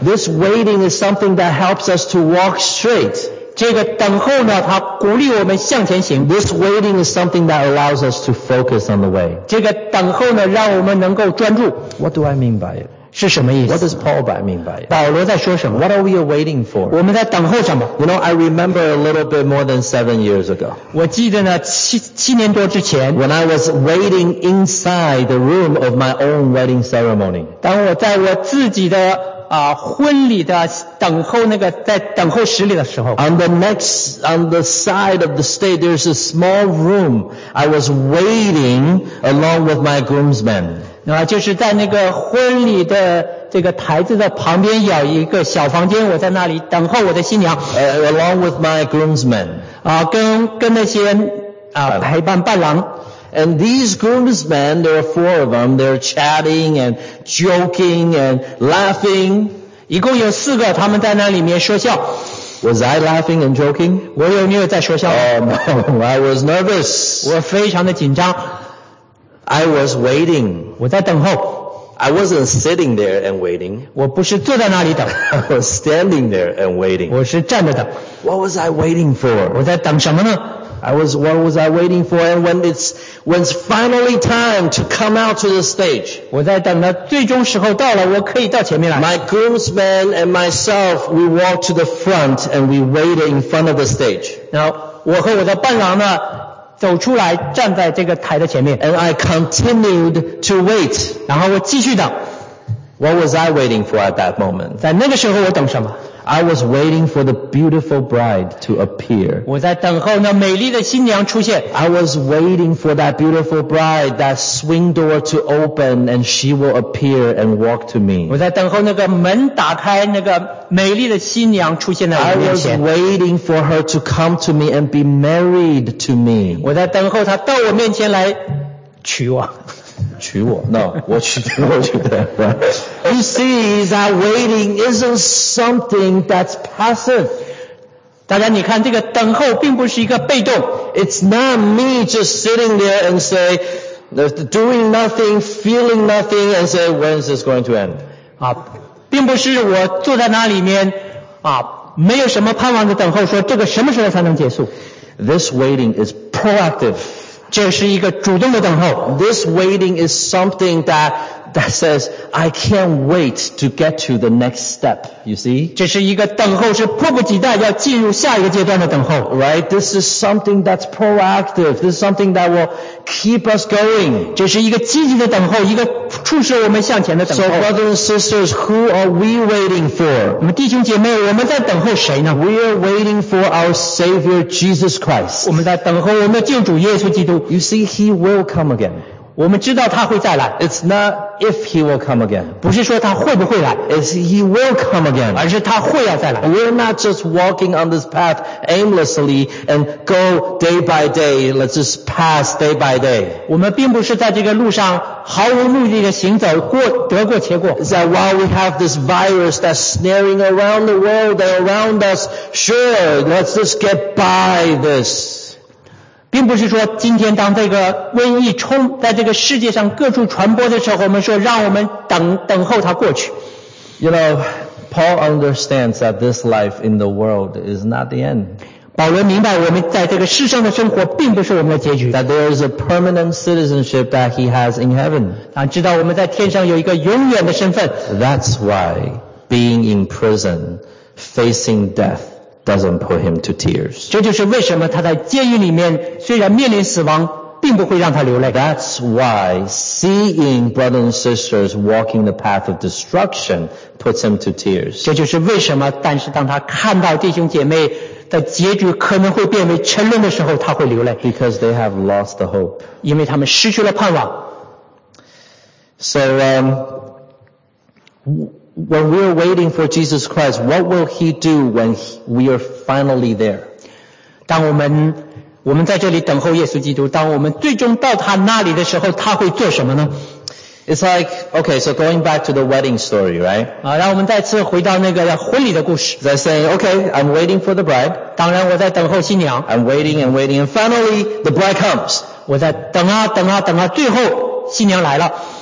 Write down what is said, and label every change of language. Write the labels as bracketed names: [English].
[English] This waiting is something that helps us to walk straight. [Chinese] 这个等候呢它鼓励我们向前行 [English] This waiting is something that allows us to focus on the way [Chinese] 这个等候呢让我们能够专注 [English] What do I mean by it? [Chinese] 是什么意思 [English] What does Paul mean by it? [Chinese] 保罗在说什么 [English] What are we waiting for? [Chinese] 我们在等候什么 [English] You know, I remember a little bit more than 7 years ago [Chinese] 我记得呢 七年多之前 [English] When I was waiting inside the room of my own wedding ceremony [Chinese] 当我在我自己的婚礼的等候那个在等候室里的时候 [English] on the side of the stage there's a small room I was waiting along with my groomsmen [Chinese] 就是在那个婚礼的这个台子的旁边有一个小房间我在那里等候我的新娘 [English] along with my groomsmen [Chinese] 跟那些陪伴伴郎 [English] And these groomsmen, there are 4 of them, they're chatting and joking and laughing. [Chinese] 一共有四个他们在那里面说笑。 [English] Was I laughing and joking? [Chinese] 我有没有在说笑 [English] I was nervous. [Chinese] 我非常的紧张。 [English] I was waiting. [Chinese] 我在等候。 [English] I wasn't sitting there and waiting. [Chinese] 我不是坐在那里等。 [English] I was standing there and waiting. [Chinese] 我是站着等。 [English] What was I waiting for? [Chinese] 我在等什么呢？ [English] What was I waiting for? And when it's finally time to come out to the stage. [Chinese] 我在等着最终时候到了，我可以到前面来。 [English] My groomsmen and myself, we walked to the front and we waited in front of the stage. [Chinese] 然后我和我的伴郎呢，走出来站在这个台的前面。 [English] And I continued to wait. [Chinese] 然后我继续等。 [English] What was I waiting for at that moment? [Chinese] 在那个时候我等什么？ [English] I was waiting for the beautiful bride to appear. [Chinese] 我在等候那美丽的新娘出现。 [English] I was waiting for that beautiful bride, that swing door to open, and she will appear and walk to me. [Chinese] 我在等候那个门打开，那个美丽的新娘出现在我面前。 [English] I was waiting for her to come to me and be married to me. [Chinese] 我在等候她到我面前来娶我。娶我 [English] No, [Chinese] 我娶娶我娶的 [English] You see that waiting isn't something that's passive [Chinese] 大家你看这个等候并不是一个被动 [English] It's not me just sitting there and say doing nothing, feeling nothing and say when is this going to end [Chinese] 并不是我坐在那里面没有什么盼望的等候说这个什么时候才能结束 [English] This waiting is proactive [Chinese] 这是一个主动的等候。 [English] This waiting is something that says, I can't wait to get to the next step, you see? [Chinese] 这是一个等候是迫不及待要进入下一个阶段的等候。 [English] Right? This is something that's proactive. This is something that will keep us going. [Chinese] 这是一个积极的等候一个促使我们向前的等候。 [English] So brothers and sisters, who are we waiting for? [Chinese] 我们弟兄姐妹我们在等候谁呢 [English] We are waiting for our Savior Jesus Christ. [Chinese] 我们在等候我们的救主耶稣基督。 [English] You see, He will come again. [Chinese] 我们知道他会再来 [English] It's not if he will come again [Chinese] 不是说他会不会来 [English] It's he will come again [Chinese] 而是他会要再来 [English] We're not just walking on this path aimlessly and go day by day Let's just pass day by day [Chinese] 我们并不是在这个路上毫无目的的行走过得过且过 [English] It's that while we have this virus that's snaring around the world and around us Sure, let's just get by this [Chinese] 并不是说今天当这个瘟疫冲在这个世界上各处传播的时候我们说让我们等候它过去 [English] You know, Paul understands that this life in the world is not the end [Chinese] 保罗明白我们在这个世上的生活并不是我们的结局 [English] That there is a permanent citizenship that he has in heaven [Chinese] 他知道我们在天上有一个永远的身份 [English] That's why being in prison, facing deathDoesn't put him to tears. [Chinese] 这就是为什么他在监狱里面虽然面临死亡并不会让他流泪。 [English] That's why seeing brothers and sisters walking the path of destruction puts him to tears. [Chinese] 这就是为什么，但是当他看到弟兄姐妹的结局可能会变为沉沦的时候，他会流泪。 [English] Because they have lost the hope. [Chinese] 因为他们失去了盼望。 [English] So, when we are waiting for Jesus Christ, what will he do when we are finally there? [Chinese] 当我们在这里等候耶稣基督，当我们最终到他那里的时候，他会做什么呢？ [English] It's like, okay, so going back to the wedding story, right? [Chinese] 啊，让我们再次回到那个婚礼的故事。 [English] They're saying, okay, I'm waiting for the bride. [Chinese] 当然我在等候新娘。 [English] I'm waiting and waiting, and finally the bride comes. [Chinese] 我在等啊等啊等啊，最后新娘来了。